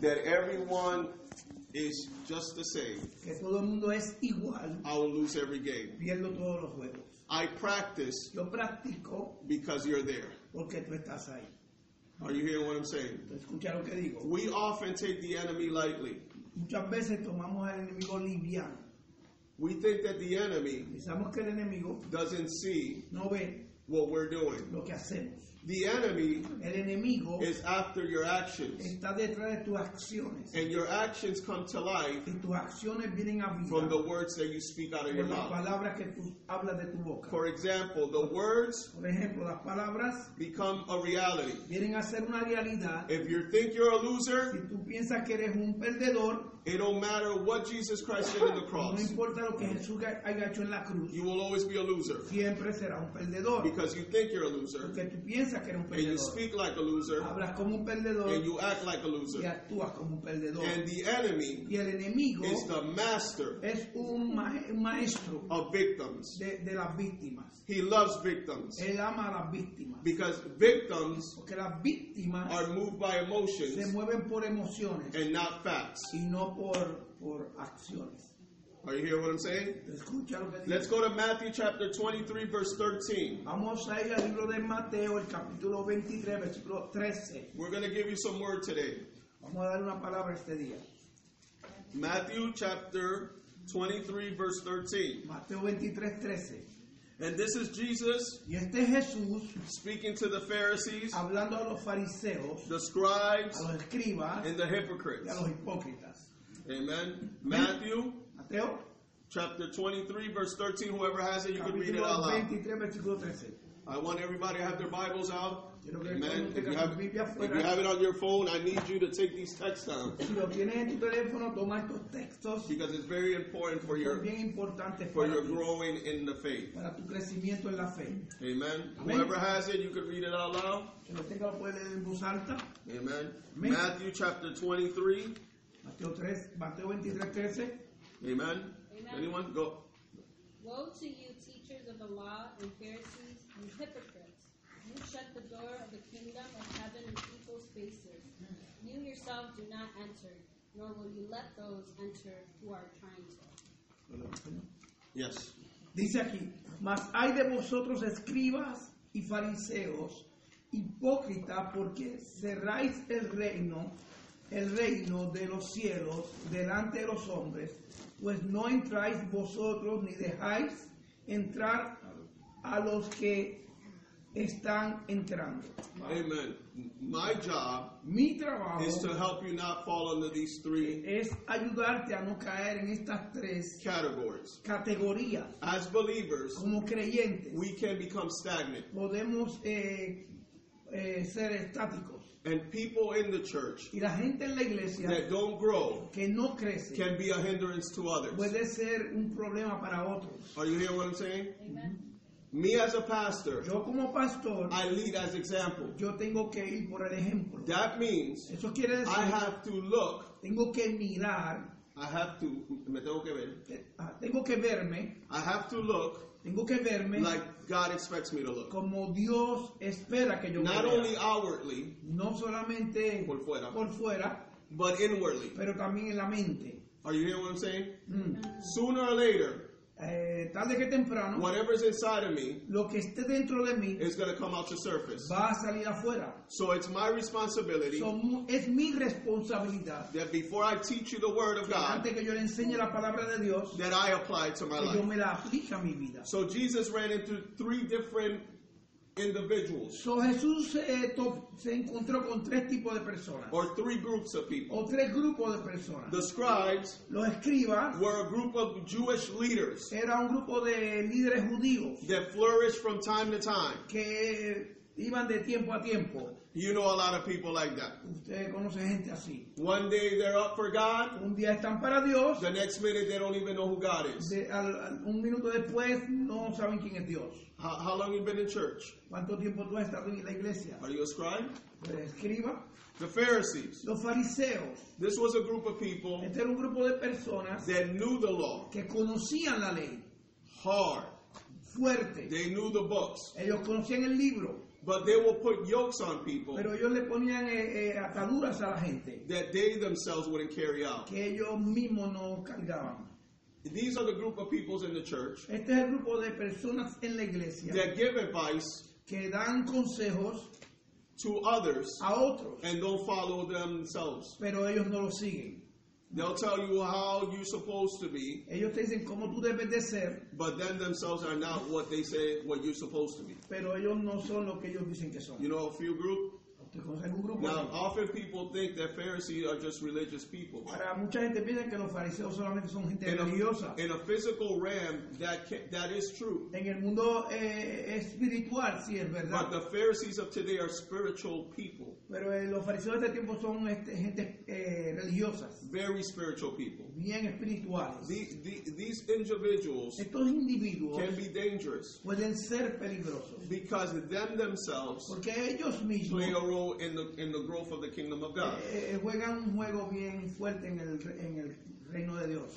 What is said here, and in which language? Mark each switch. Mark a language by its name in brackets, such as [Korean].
[English] That everyone is just the same. [Spanish] Que todo el mundo es igual. [English] I will lose every game. [Spanish] Pierdo todos los juegos. [English] I practice. [Spanish] Yo practico. [English] Because you're there. [Spanish] Porque tú estás ahí. [English] Are you hearing what I'm saying? [Spanish] Escucha lo que digo. [English] We often take the enemy lightly. [Spanish] Muchas veces tomamos al enemigo liviano. [English] We think that the enemy [Spanish] pensamos que el enemigo [English] doesn't see [Spanish] no ve [English] what we're doing. [Spanish] Lo que hacemos. [English] The enemy [Spanish] el enemigo [English] is after your actions. [Spanish] Está detrás de tus acciones. [English] And your actions come to life [Spanish] y tus acciones vienen a vida [English] from the words that you speak out of your mouth. [Spanish] Palabras que tú hablas de tu boca. [English] For example, the words [Spanish] por ejemplo, las palabras [English] become a reality. [Spanish] Vienen a ser una realidad. [English] If you think you're a loser, [Spanish] si tú piensas que eres un perdedor, [English] it don't matter what Jesus Christ did on the cross. [Spanish] No importa lo que Jesús haya hecho en la cruz. [English] You will always be a loser. [Spanish] Siempre será un perdedor. [English] Because you think you're a loser. [Spanish] Porque tú piensas que eres un perdedor. [English] And you speak like a loser. [Spanish] Hablas como un perdedor. [English] And you act like a loser. [Spanish] Y actúas como un perdedor. [English] And the enemy [Spanish] y el enemigo [English] is the master [Spanish] es un maestro [English] of victims. [Spanish] De las víctimas. [English] He loves victims. [Spanish] Él ama a las víctimas. [English] Because victims [Spanish] porque las víctimas [English] are moved by emotions [Spanish] se mueven por emociones [English] and not facts. [Spanish] Y no por acciones. [English] Are you hearing what I'm saying? Let's go to Matthew chapter 23, verse 13. [Spanish] Vamos a ir al libro de Mateo, el capítulo 23, versículo 13. [English] We're going to give you some word today. [Spanish] Vamos a dar una palabra este día. [English] Matthew chapter 23, verse 13. [Spanish] Mateo 23, 13. [English] And this is Jesus [Spanish] y este es Jesús [English] speaking to the Pharisees, [Spanish] hablando a los fariseos, [English] the scribes, [Spanish] a los escribas, [English] and the hypocrites. [Spanish] Y a los hipócritas. [English] Amen. Matthew. [Spanish] Mateo, [English] chapter 23, verse 13. Whoever has it, you can read it out loud. I want everybody to have their Bibles out. Amen. If you have it on your phone, I need you to take these texts down. [Spanish] Si lo tienes en tu teléfono, toma estos textos. [English] Because it's very important for your [Spanish] bien importante [English] for your growing in the faith. [Spanish] Para tu crecimiento en la fe. [English] Amen. Whoever has it, you can read it out loud. [Spanish] Que lo tenga, puede leer en voz alta. [English] Amen. Matthew chapter 23. [Spanish] Mateo 23, 13. [English] Amen. Amen. Anyone? Go. Woe to you, teachers of the law and Pharisees and hypocrites. You shut the door of the kingdom of heaven in people's faces. You yourself do not enter, nor will you let those enter who are trying to. Yes. [Spanish] Dice aquí, mas hay de vosotros escribas y fariseos, hipócrita, porque cerráis el reino de los cielos delante de los hombres, pues no entráis vosotros ni dejáis entrar a los que están entrando. [English] Amen. My job [Spanish] mi trabajo [English] is to help you not fall under these three [Spanish] es ayudarte a no caer en estas tres [English] categories. [Spanish] Categorías. [English] As believers, [Spanish] como creyentes, [English] we can become stagnant. [Spanish] Podemos ser estáticos. [English] And people in the church [Spanish] y la gente en la iglesia [English] that don't grow [Spanish] que no crece [English] can be a hindrance to others. [Spanish] Puede ser un problema para otros. [English] Are you hearing what I'm saying? Amen. Me as a pastor, [Spanish] yo como pastor, [English] I lead as example. [Spanish] Yo tengo que ir por el ejemplo. [English] That means [Spanish] eso quiere decir, [English] I have to look. [Spanish] Tengo que mirar. [English] I have to. [Spanish] Me tengo que ver. Tengo que verme. [English] I have to look. [Spanish] Tengo que verme. [English] Like God expects me to look. [Spanish] Como Dios espera que yo me vea. [English] Not only outwardly. [Spanish] No solamente. Por fuera. Por fuera. [English] But inwardly. [Spanish] Pero también en la mente. [English] Are you hearing what I'm saying? Sooner or later. [Spanish] Tarde que temprano. [English] Whatever is inside of me. [Spanish] Lo que esté dentro de mí. [English] Is going to come out to surface. [Spanish] Va a salir afuera. [English] So it's my responsibility. [Spanish] Es mi responsabilidad. [English] That before I teach you the word of God. [Spanish] Antes que yo le enseñe la palabra de Dios. [English] That I apply to my life. [Spanish] Yo me la aplico a mi vida. [English] So Jesus ran into three different individuals. [Spanish] So Jesús se encontró con tres tipos de personas. [English] Or three groups of people. [Spanish] O tres grupos de personas. [English] The scribes. [Spanish] Los escribas. [English] Were a group of Jewish leaders. [Spanish] Era un grupo de líderes judíos. [English] That flourished from time to time. [Spanish] Que iban de tiempo a tiempo. [English] You know a lot of people like that. [Spanish] Usted conoce gente así. [English] One day they're up for God. [Spanish] Un día están para Dios. [English] The next minute they don't even know who God is. [Spanish] Un minuto después no saben quién es Dios. [English] How long have you been in church? [Spanish] ¿Cuánto tiempo tú has estado en la iglesia? [English] Are you a scribe? [Spanish] ¿Eres escriba? [English] The Pharisees. [Spanish] Los fariseos. [English] This was a group of people. [Spanish] Este era un grupo de personas. [English] That knew the law. [Spanish] Que conocían la ley. [English] Hard. [Spanish] Fuerte. [English] They knew the books. [Spanish] Ellos conocían el libro. [English] But they will put yokes on people. [Spanish] Pero ellos le ponían ataduras a la gente. [English] That they themselves wouldn't carry out. [Spanish] Que ellos mismos no cargaban. [English] These are the group of people in the church. [Spanish] Este es el grupo de personas en la iglesia. [English] That give advice. [Spanish] Que dan consejos. [English] To others. [Spanish] A otros. [English] And don't follow themselves. [Spanish] Pero ellos no lo siguen. [English] They'll tell you how you're supposed to be. [Spanish] Ellos te dicen cómo tú debes de ser. [English] But then themselves are not what they say, what you're supposed to be. [Spanish] Pero ellos no son lo que ellos dicen que son. [English] You know a few group? Now, often people think that Pharisees are just religious people. [Spanish] Para mucha gente piensa que los fariseos solamente son gente religiosa. [English] In a physical realm, that is true. [Spanish] En el mundo espiritual, sí es verdad. [English] But the Pharisees of today are spiritual people. [Spanish] Pero los fariseos de este tiempo son gente religiosas. [English] Very spiritual people. [Spanish] Bien espirituales. [English] These individuals [Spanish] estos individuos [English] can be dangerous. [Spanish] Pueden ser peligrosos. [English] Because them themselves [Spanish] porque ellos mismos [English] play a role in the growth of the kingdom of God. [Spanish] Juegan un juego bien fuerte en el reino de Dios.